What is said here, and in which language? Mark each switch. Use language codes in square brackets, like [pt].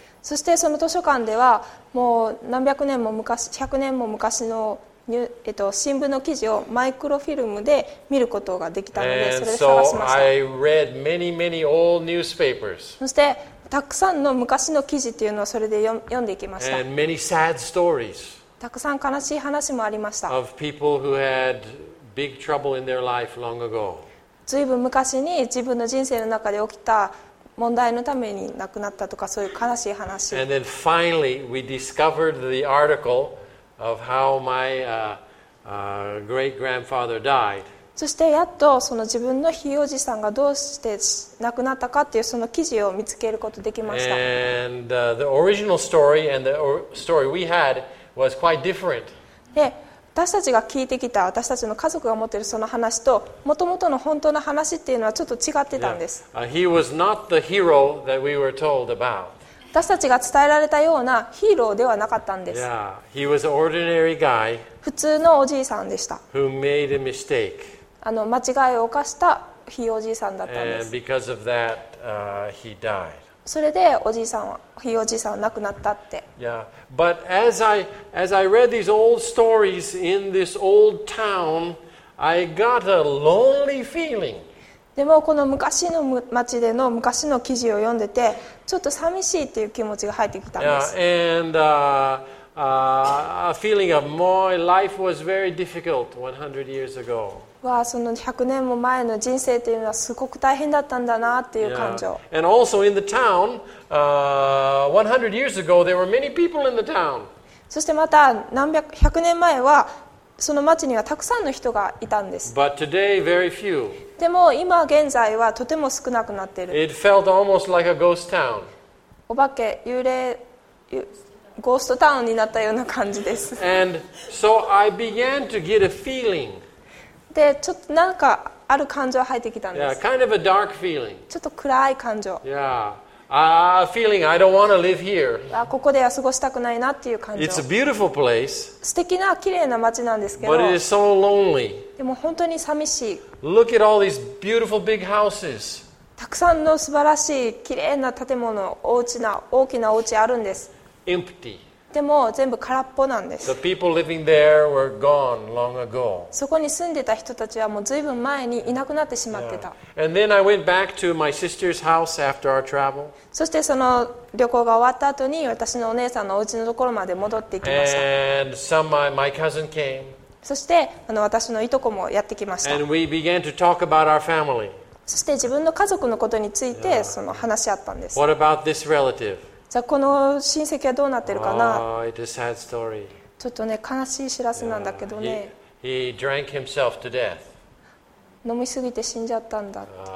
[ja] そしてその図書館ではもう何百年も昔、100年も昔の新聞の記事をマイクロフィルムで見ることができたので、それで探しました。 [en] And so I read many, many old newspapers. [ja] そしてたくさんの昔の記事というのをそれで読んでいきました。 [en] And many sad stories. [ja] たくさん悲しい話もありました。 [en] Of people who had big trouble in their life long ago. [ja] ずいぶん昔に自分の人生の中で起きた問題のために亡くなったとか、そういう悲しい話。 [en] And then finally we discovered the articleOf how my great grandfather died. [ja] そしてやっとその自分のひいおじさんがどうして亡くなったかっていうその記事を見つけることができました。 [en] And the original story and the story we had was quite different. [ja] で、私たちが聞いてきた、私たちの家族が持っているその話と、もともとの本当の話っていうのはちょっと違ってたんです。 [en] Yeah. He was not the hero that we were told about. [ja] 私たちが伝えられたようなヒーローではなかったんです。 [en] Yeah, he was an ordinary guy. [ja] 普通のおじいさんでした。 [en] Who made a mistake. [ja] 間違いを犯したひいおじいさんだったんです。 [en] And because of that, he died. [ja] それでおじいさんは、ひいおじいさんは亡くなったって。 [en] Yeah, but as I read these old stories in this old town, I got a lonely feeling. [ja] でもこの昔の町での昔の記事を読んでて、ちょっと寂しいっていう気持ちが入ってきたんです。 [en] Yeah, and a feeling of my life was very difficult 100 years ago. [ja] わあ、その100年も前の人生っていうのはすごく大変だったんだなっていう感情。 [en] Yeah. And also in the town, 100 years ago, there were many people in the town. [ja] そしてまた何百年前はその町にはたくさんの人がいたんです。 [en] But today, very few. [ja] でも今現在はとても少なくなっている。 [en] It felt almost like a ghost town. [ja] お化け、幽霊、ゴーストタウンになったような感じです。 [en] And so I began to get a feeling. [ja] で、ちょっとなんかある感情入ってきたんです。 [en] Yeah, kind of a dark feeling. [ja] ちょっと暗い感情。 [en] Yeah. feeling I don't want to live here. [ja] ここでは過ごしたくないなっていう感じ。 [en] It's a beautiful place. [ja] 素敵な綺麗な町なんですけど。 [en] But it is so lonely. [ja] でも本当に寂しい。 [en] Look at all these beautiful big houses. [ja] たくさんの素晴らしい綺麗な建物、大きなお家あるんです。 [en] Empty. [ja] でも全部空っぽなんです。 [en] The people living there were gone long ago. [ja] そこに住んでた人たちはもうずいぶん前にいなくなってしまってた。 [en] And then I went back to my sister's house after our travel. [ja] そしてその旅行が終わった後に私のお姉さんのお家のところまで戻ってきました。 [en] And some my cousin came. [ja] そして私のいとこもやってきました。 [en] And we began to talk about our family. [ja] そして自分の家族のことについてその話し合ったんです。 [en] What about this relative? [ja] じゃあこの親戚はどうなってるかな、 [en] oh, it's a sad story. [ja] ちょっとね悲しい知らせなんだけどね、 [en] yeah. he drank himself to death. [ja] 飲みすぎて死んじゃったんだ、